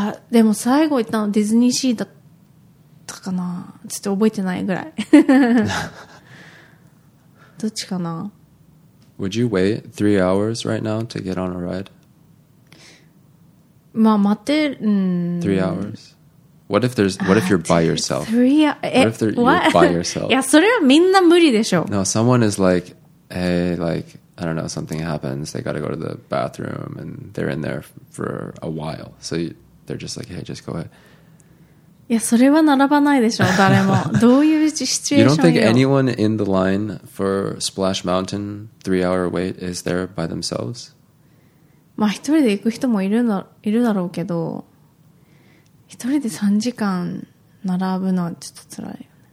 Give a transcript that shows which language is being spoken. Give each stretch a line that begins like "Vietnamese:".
Japanese: でも最後行ったのディズニーシーだったかな。ちょっと覚えてないぐらい。どっちかな。
English: Would you wait 3 hours right now to get on a ride?
Japanese: まあ待って、
English: 3 hours? What if there's, what if you're by yourself? What if you're by yourself?
Japanese: いやそれはみんな無理でしょ。
English: No, someone is like, hey, like, I don't know, something happens, they gotta go to the bathroom, and they're in there for a while. So they're just like, hey, just go ahead.
Japanese: いやそれは並ばないでしょ、誰も。どういうシチュエーションよ。
English: You don't think anyone in the line for Splash Mountain 3 hour wait is there by themselves?
Japanese: まあ一人で行く人もいるだろうけど、一人で3時間並ぶのはちょっと辛いよね。